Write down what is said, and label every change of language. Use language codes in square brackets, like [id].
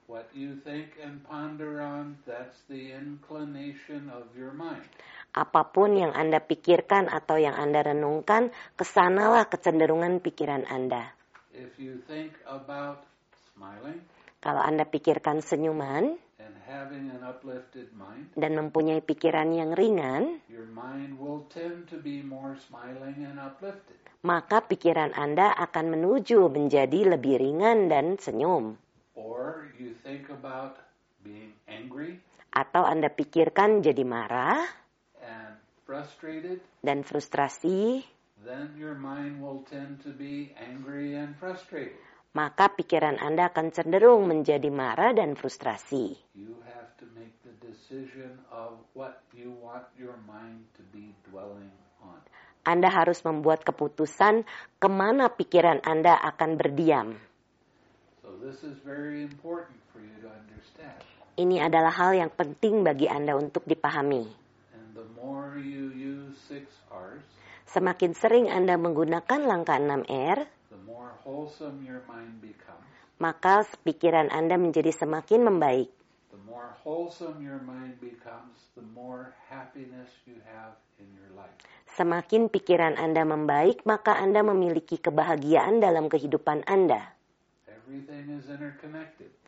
[en] What you think and ponder on, that's the inclination of your mind. [id] Apapun yang Anda pikirkan atau yang Anda renungkan, kesanalah kecenderungan pikiran Anda. [en] If you think about smiling, [id] kalau Anda pikirkan senyuman, [en] and having an uplifted mind, [id] dan mempunyai pikiran yang ringan, [en] your mind will tend to be more smiling and uplifted. [id] Maka pikiran Anda akan menuju menjadi lebih ringan dan senyum. [en] Or you think about being angry, [id] atau Anda pikirkan jadi marah [en] and frustrated, [id] dan frustrasi, [en] then your mind will tend to be angry and frustrated. [id] Maka pikiran Anda akan cenderung menjadi marah dan frustrasi. [en] You have to make the decision of what you want your mind to be dwelling on. [id] Anda harus membuat keputusan kemana pikiran Anda akan berdiam. [en] So this is very important for you to understand. [id] Ini adalah hal yang penting bagi Anda untuk dipahami. [en] And the more you use six R's, [id] semakin sering Anda menggunakan langkah 6R, [en] wholesome your mind becomes. [id] Maka pikiran Anda menjadi semakin membaik. [en] The more wholesome your mind becomes, the more happiness you have in your life. [id] Semakin pikiran Anda membaik, maka Anda memiliki kebahagiaan dalam kehidupan Anda. [en] Everything is interconnected.